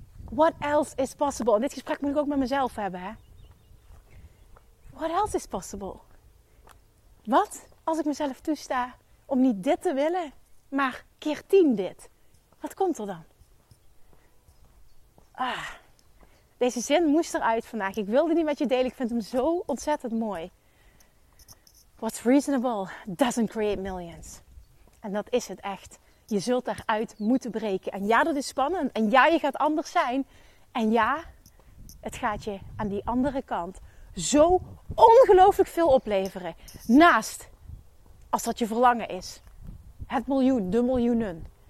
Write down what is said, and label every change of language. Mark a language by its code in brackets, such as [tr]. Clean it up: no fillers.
[en] What else is possible? [nl] En dit gesprek moet ik ook met mezelf hebben, hè. What else is possible? Wat als ik mezelf toesta om niet dit te willen, maar keer 10 dit? Wat komt er dan? Ah, deze zin moest eruit vandaag. Ik wilde die met je delen. Ik vind hem zo ontzettend mooi. [en] What's reasonable doesn't create millions. [nl] En dat is het echt. Je zult eruit moeten breken. En ja, dat is spannend. En ja, je gaat anders zijn. En ja, het gaat je aan die andere kant zo ongelooflijk veel opleveren. Naast, als dat je verlangen is, het miljoen, de miljoenen.